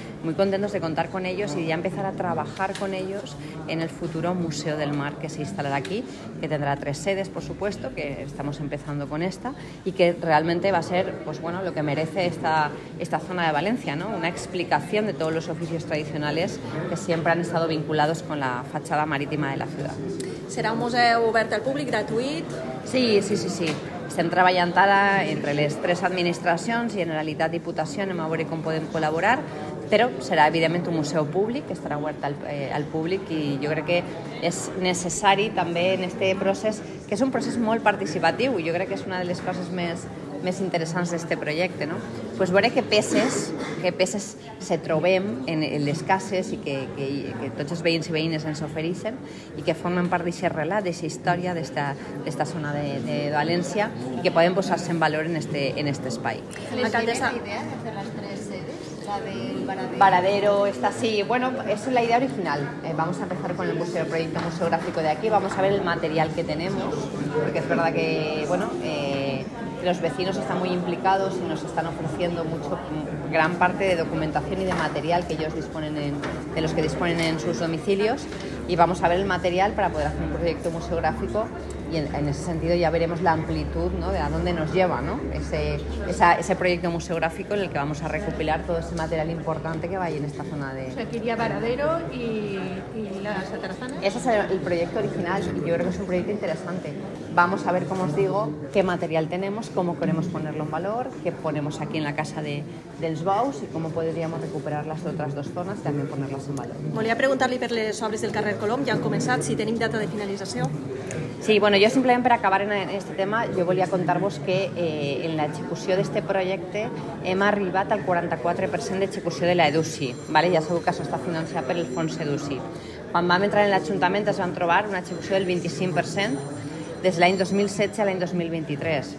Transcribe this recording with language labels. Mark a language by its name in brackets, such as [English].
[Spanish] Molt contentos de contar con ellos i ja empezar a treballar con ellos en el futur Museu del Mar [Catalan] que s'instal·larà aquí, que tindrà 3 sedes, [Spanish] por supuesto, que estamos empezando con esta, [Catalan] i que realment va ser, [Spanish] pues bueno, lo que merece esta zona de València, ¿no? [Catalan] Una explicació de tots els oficis tradicionals que sempre han estat [Spanish] vinculados con la fachada marítima de la ciudad. ¿Será un museo [Catalan] obert al públic, gratuït? Sí, sí, sí, sí. Estem treballant ara entre les 3 administracions, Generalitat, Diputació, anem a veure com podem col·laborar, però serà evidentment un museu públic, que estarà obert al públic, i jo crec que és necessari també en aquest procés, que és un procés molt participatiu, jo crec que és una de les coses més interessants d'aquest projecte, no? Pues veure què peces se trobem en les cases i que tots els veïns i veïnes ens ofereixen i que formen part d'aquest relat, d'aquesta història, d'aquesta zona de València i que poden posar-se en valor en aquest espai. Alcaldessa, la idea de fer les 3 sedes, la del [Spanish] Varadero, esta sí, bueno, esa es la idea original. Vamos a empezar con el proyecto museográfico de aquí, vamos a ver el material que tenemos, porque es verdad que, bueno, los vecinos están muy implicados y nos están ofreciendo mucho, gran parte de documentación y de material que ellos disponen de los que disponen en sus domicilios, y vamos a ver el material para poder hacer un proyecto museográfico, y en ese sentido ya veremos la amplitud, ¿no? De a dónde nos lleva, ¿no? ese proyecto museográfico en el que vamos a recopilar todo ese material importante que va ahí en esta zona de... O sea, quería Varadero y las atarazanas. Ese es el proyecto original y yo creo que es un proyecto interesante. Vamos a ver, como os digo, qué material tenemos, cómo queremos ponerlo en valor, qué ponemos aquí en la casa dels Bous y cómo podríamos recuperar las otras 2 zonas y también ponerlas en valor. [Catalan] Volia preguntar-li per les obres del carrer Colom, ja han començat, si tenim data de finalització. [Spanish] Sí, bueno, yo simplemente para acabar en este tema, yo [Catalan] volia contar-vos que en la execució d'este projecte hem arribat al 44% d'execució de la EDUCI, ¿vale? Ja sabeu que això està financiat per el fons EDUCI. Quan vam entrar en l'Ajuntament es van trobar una execució del 25%, des de l'any 2016 a l'any 2023.